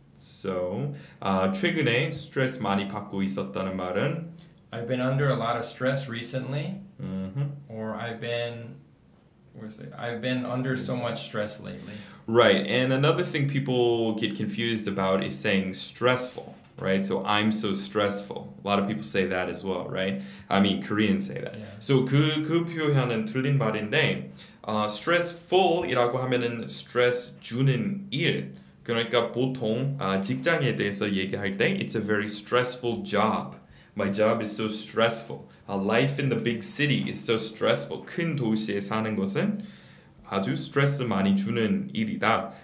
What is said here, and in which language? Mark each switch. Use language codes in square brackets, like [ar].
[ko] So, 최근에 스트레스 많이 받고 있었다는 말은 [en] I've been under a lot of stress recently. Mm-hmm. Or I've been under so much stress lately. Right. And another thing people get confused about is saying stressful, right? So I'm so stressful. A lot of people say that as well, right? I mean, Koreans say that. Yeah. [ko] So 그 표현은 틀린 말인데 stressful이라고 하면은 stress 주는 일. 그러니까 보통 직장에 대해서 얘기할 때 [en] it's a very stressful job. My job is so stressful. Life in the big city is so stressful. [ko] 큰 도시에 사는 것은 아주 스트레스 많이 주는 일이다.